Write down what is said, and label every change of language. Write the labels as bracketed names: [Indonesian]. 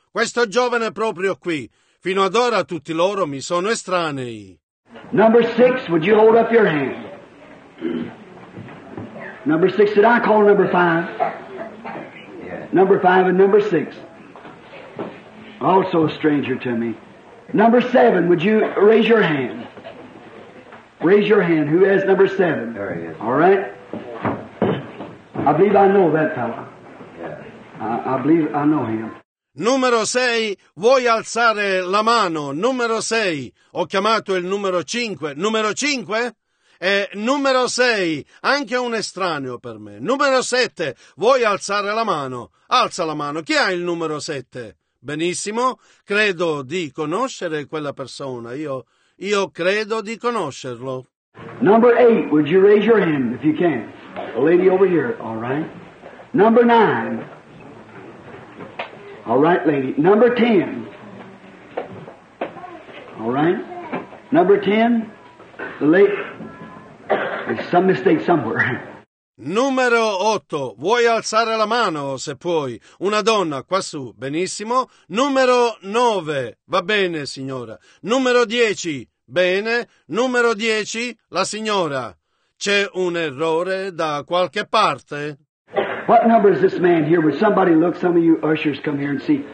[Italian] Questo giovane è proprio qui. Fino ad ora tutti loro mi sono estranei. [English] Number 6, would you hold up your hand? Number 6, did I call number 5? Number 5 and number 6. Also a stranger to me. Number 7, would you raise your hand? Raise your hand. Who has number 7? There he is. All right. I believe I know that fellow. I believe I know him. [Italian] Numero 6, vuoi alzare la mano? Numero 6, ho chiamato il numero 5. Numero 5? E numero 6, anche un estraneo per me. Numero 7, vuoi alzare la mano? Alza la mano. Chi ha il numero 7? Benissimo, credo di conoscere quella persona. Io credo di conoscerlo. [English] Number 8, would you raise your hand if you can? The lady over here, all right. Number 9. All right, lady. Number 10. All right. Number 10. The lady. There's some mistake somewhere. [Italian] Numero 8, vuoi alzare la mano se puoi? Una donna quassù, benissimo. Numero 9, va bene signora. Numero 10, bene. Numero 10, la signora. C'è un errore da qualche parte? [English] What number is this man here? Would somebody look, some of you ushers come here and see.